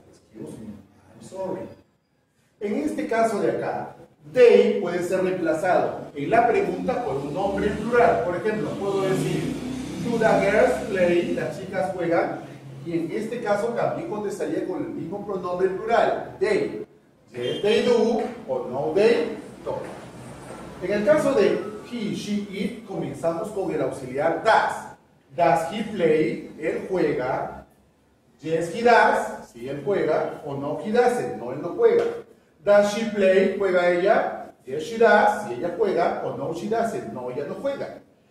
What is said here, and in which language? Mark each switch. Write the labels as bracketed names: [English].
[English] Excuse me, I'm sorry. [Spanish] En este caso de acá, they puede ser reemplazado en la pregunta por un nombre plural. Por ejemplo, puedo decir, [English] do the girls play, [Spanish] las chicas juegan. Y en este caso también contestaría con el mismo pronombre plural, they. [English] Yes, they do, [Spanish] o no, [English] they don't. [Spanish] En el caso de he, she, it, comenzamos con el auxiliar does. [English] Does he play, [Spanish] él juega. [English] Yes, he does. [Spanish] Sí, él juega. O no, [English] he doesn't. [Spanish] No, él no juega. [English] Does she play? [Spanish] ¿Juega ella? [English] Yes, she does. [Spanish] Sí, ella juega. O no, [English] she doesn't. [Spanish] No, ella no juega.